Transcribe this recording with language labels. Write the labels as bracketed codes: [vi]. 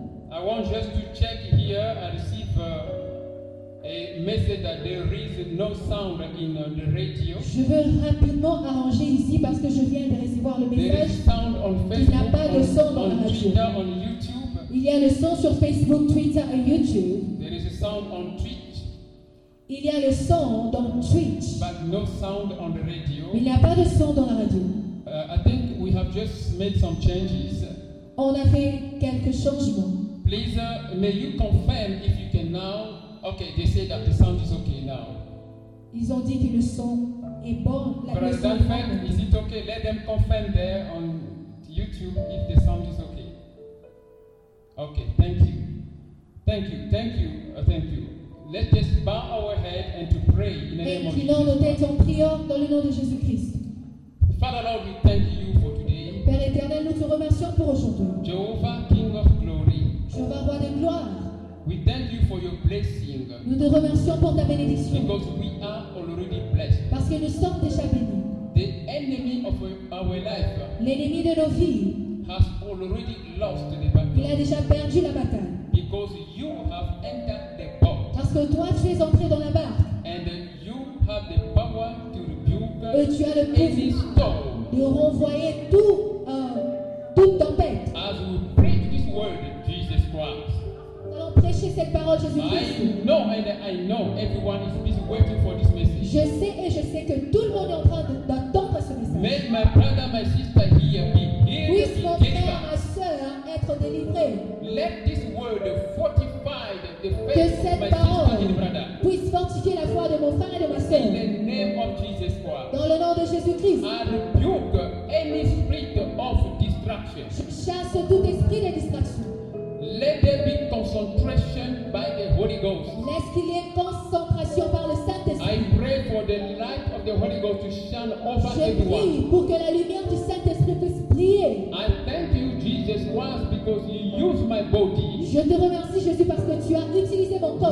[en] I want just to check here and see if a message that there is no sound in the radio. [fr] Je veux rapidement arranger ici parce que je viens de recevoir le message. [en] Sound on Facebook, [fr] il n'y a pas de son dans la radio. [en] Twitter, on YouTube. [fr] Il y a le son sur Facebook, Twitter et YouTube. [en] There is a sound on Twitch. [fr] Il y a le son dans Twitch. [en] But no sound on the radio. [fr] Mais il n'y a pas de son dans la radio. [en] I think we have just made some changes. [fr] On a fait quelques changements. [en] Please, may you confirm if you can now. Okay, they say that the sound is okay now. [fr] Ils ont dit que le son est bon. [en] Brother, is it okay? Let them confirm there on YouTube if the sound is okay. Okay, thank you. Thank you. Let us bow our head and to pray in the name of Jesus. [fr] Nos têtes en priant dans le nom de Jésus Christ. [en] Father Lord, we thank you for today. [fr] Père éternel, nous te remercions pour aujourd'hui. [en] Jehovah, King of Glory. [fr] Jehovah, roi de gloire. [en] We thank you for your blessing. [fr] Nous te remercions pour ta bénédiction. [en] Because we are already blessed. [fr] Parce que nous sommes déjà bénis. [en] The enemy of our life. [fr] L'ennemi de nos vies. [en] Has already lost the battle. [fr] Il a déjà perdu la bataille. [en] Because you have entered the boat. [fr] Parce que toi tu es entré dans la barque. [en] And you have the power to rebuke. [fr] Et tu as le pouvoir de renvoyer toute tempête. [en] As we preach this word, Jesus Christ. [fr] Cette parole, Jésus-Christ. [en] I know everyone is busy waiting for this message. [fr] Je sais et je sais que tout le monde est en train d'attendre ce message. [en] May my brother, my sister here be healed. [fr] Puisse mon frère, ma soeur être délivré. [en] Let this word fortify the faith [fr] que cette [en] of my [fr] parole [en] sister and [fr] puisse fortifier la foi de mon frère et de ma soeur. [en] In the name of Jesus Christ. [fr] Dans le nom de Jésus-Christ. [en] I rebuke any spirit of distraction. [fr] Je chasse tout esprit de distraction. [en] Let there be concentration by the Holy Ghost. [fr] Laisse qu'il y ait concentration par le Saint-Esprit. [en] I pray for the light of the Holy Ghost to shine over [fr] je [en] everyone. [fr] Prie pour que la lumière du Saint-Esprit puisse briller. [en] I thank you, Jesus Christ, because you used my body. [fr] Je te remercie, Jésus, parce que tu as utilisé mon corps.